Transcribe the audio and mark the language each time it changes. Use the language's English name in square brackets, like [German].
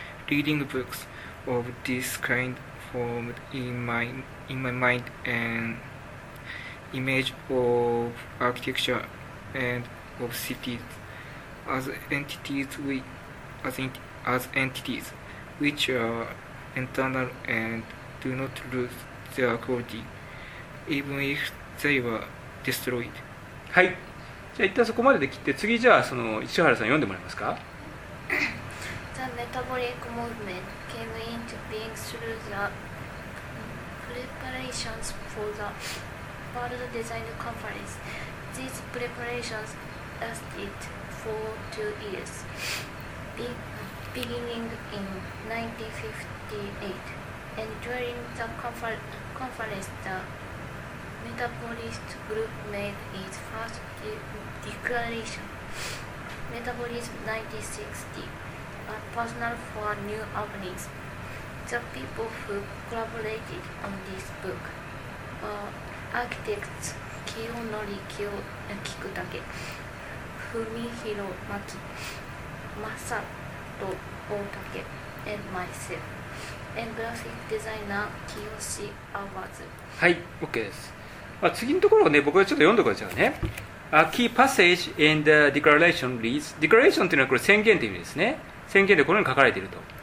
[English] Reading books of this kind formed in my mind an image of architecture and of cities as entities which are internal and do not lose their quality even if they were destroyed. Hi. [Japanese] じゃあ一旦そこまでで切って次じゃあその市原さん読んでもらえますか。 [English] The metabolic movement came into being through the preparations for the World Design Conference. These preparations lasted for 2 years, beginning in 1958. And during the conference, the metabolist group made its firstDeclaration Metabolism 1960 A Personal for New Openings. The people who collaborated on this book were architects Kiyonori Kikutake, Fumihiro Maki, Masato Otake, and myself, and graphic designer Kiyoshi Awazu. [Japanese] はい、OK です。まあ、次のところをね、僕はちょっと読んでくださいね。 [English] A key passage in the declaration reads, [Japanese] Declaration というのはこれ宣言という意味ですね。宣言でこのように書かれていると。